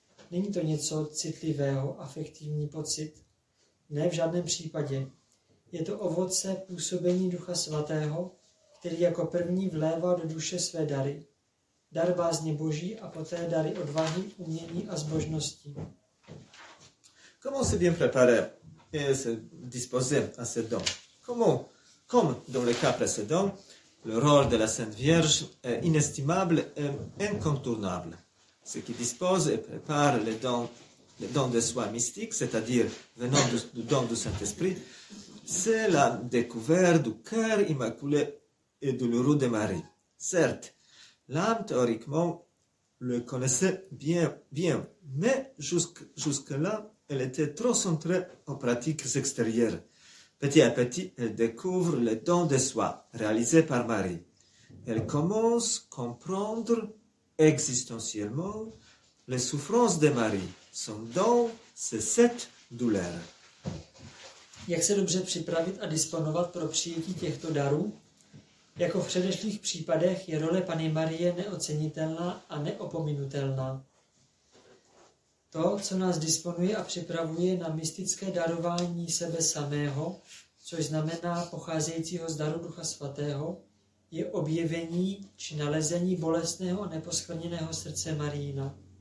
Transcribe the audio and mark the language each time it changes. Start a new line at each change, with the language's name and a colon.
Czech: Není to něco citlivého, afektivní pocit? Ne, v žádném případě. Je to ovoce působení Ducha Svatého, který jako první vlévá do duše své dary. Dar bázně Boží a poté dary odvahy, umění a zbožnosti.
French: Comment se bien préparer et se disposer à ce don? Comme dans le cas précédent, le rôle de la Sainte Vierge est inestimable et incontournable. Ce qui dispose et prépare le don de soi mystique, c'est-à-dire venant du don du Saint-Esprit, c'est la découverte du cœur immaculé et douloureux de Marie. Certes, l'âme, théoriquement, le connaissait bien, mais jusque-là, elle était trop centrée en pratiques extérieures. Petit à petit, elle découvre le don de soi réalisé par Marie. Elle commence à comprendre existentiellement les souffrances de Marie, son don, ses sept douleurs.
Czech: Jak se dobře připravit a disponovat pro přijetí těchto darů? Jako v předešlých případech je role Panny Marie neocenitelná a neopominutelná. To, co nás disponuje a připravuje na mystické darování sebe samého, což znamená pocházejícího z daru Ducha Svatého, je objevení či nalezení bolestného a neposkvrněného srdce Mariina.